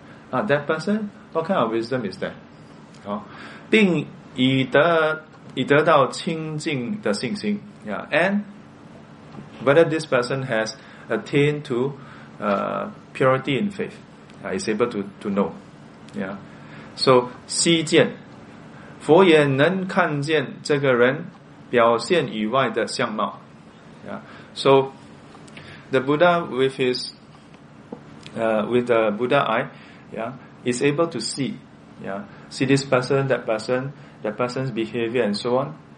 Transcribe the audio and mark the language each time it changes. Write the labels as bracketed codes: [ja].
[en] That person, what kind of wisdom is that? [zh] 并已得到清净的信心, [en] yeah, and whether this person has attained to purity in faith, is able to know. Yeah. [zh] So, 悉见佛也能看见这个人表现以外的相貌。 [en] Yeah. So, the Buddha with his, with the Buddha eye, yeah, is able to see, yeah, see this person, that person, that person's behavior and so on.